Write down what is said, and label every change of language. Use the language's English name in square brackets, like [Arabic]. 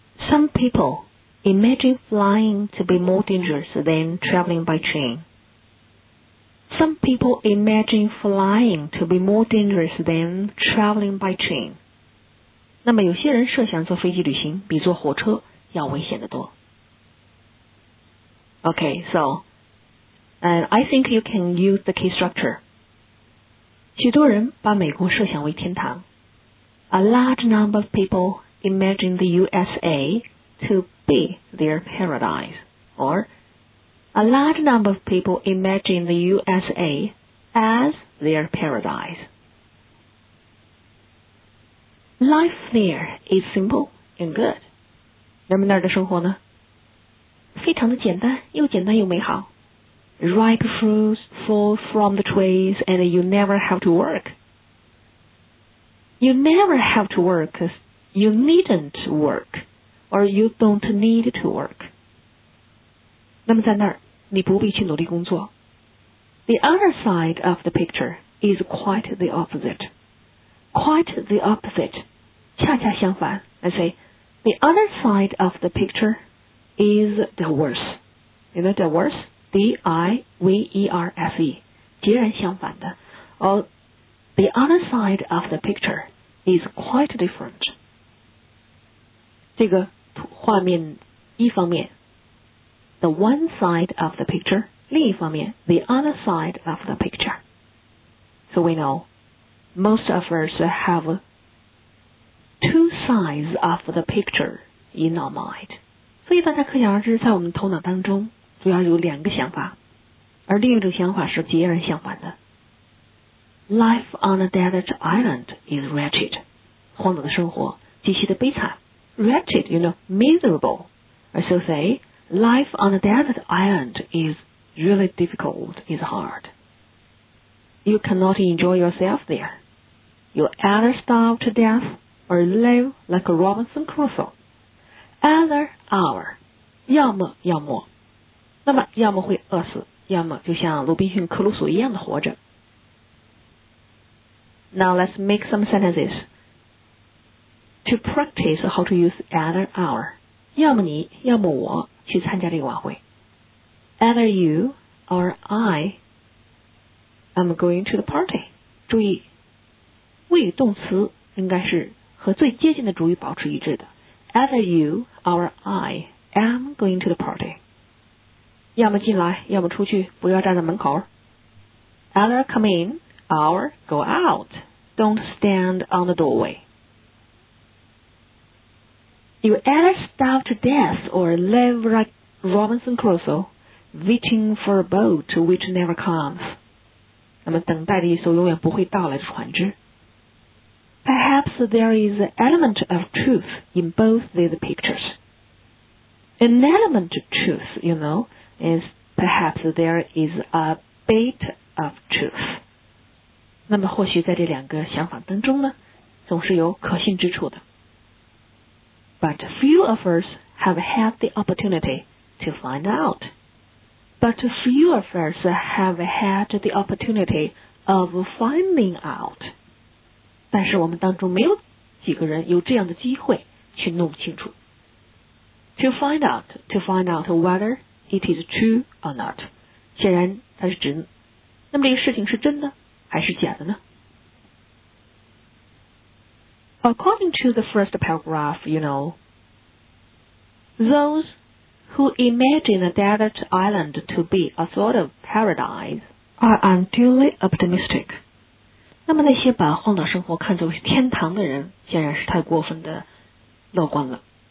[English] Some people imagine flying to be more dangerous than traveling by train. Some people imagine flying to be more dangerous than traveling by train. [Chinese] 那么有些人设想坐飞机旅行比坐火车要危险得多。 [English] Okay, so, and I think you can use the key structure. [Chinese] 许多人把美国设想为天堂。 [English] A large number of people imagine the USA to be their paradise. Or, a large number of people imagine the USA as their paradise. Life there is simple and good. [Chinese] 人们那儿的生活呢？非常的简单，又简单又美好。 [English] Ripe fruits fall from the trees and you never have to work. You never have to work because you needn't work or you don't need to work. [Chinese] 那么在那儿，你不必去努力工作。 [English] The other side of the picture is quite the opposite. Quite the opposite. [Chinese] 恰恰相反 [English] I say, the other side of the picture is the worst. You know the worst? D-I-V-E-R-S-E. [Chinese] 截然相反的。 [English] Oh, the other side of the picture is quite different. [Chinese] 这个画面一方面 [English] the one side of the picture, [Chinese] 另一方面 [English] the other side of the picture. So we know, most of us have two sides of the picture in our mind. [Chinese] 所以大家可想而知，在我们头脑当中主要有两个想法，而另一种想法是截然相反的。 [English] Life on a desert island is wretched. [Chinese] 荒岛的生活极其的悲惨。 [English] Wretched, you know, miserable. I still say, life on a desert island is really difficult, is hard. You cannot enjoy yourself there. You either starve to death or live like a Robinson Crusoe. Either hour, [Chinese] 要么，那么要么会饿死，要么就像鲁滨逊克鲁索一样的活着。 [English] Now let's make some sentences to practice how to use either hour. [Chinese] 要么你，要么我去参加这个晚会。 [English] Either you or I am going to the party. [Chinese] 注意，谓语动词应该是和最接近的主语保持一致的。 [English] Either you or I am going to the party. [Chinese] 要么进来，要么出去，不要站在门口。 [English] Either come in or go out. Don't stand on the doorway. You either starve to death or live like Robinson Crusoe, waiting for a boat which never comes. [Chinese] 那么等待着一艘永远不会到来的船只。 [English] Perhaps there is an element of truth in both these pictures. An element of truth, you know, is perhaps there is a bit of truth. [Chinese] 那么或许在这两个想法当中呢，总是有可信之处的。 [English] But few of us have had the opportunity to find out. But few of us have had the opportunity of finding out. [Chinese] 但是我们当中没有几个人有这样的机会去弄清楚。 [English] To find out whether it is true or not. [Chinese] 显然它是真的。那么这个事情是真的还是假的呢？ [English] According to the first paragraph, you know, those who imagine a desert island to be a sort of paradise are unduly optimistic. [Chinese] 那么那些把荒岛生活看作是天堂的人显然是太过分的乐观了。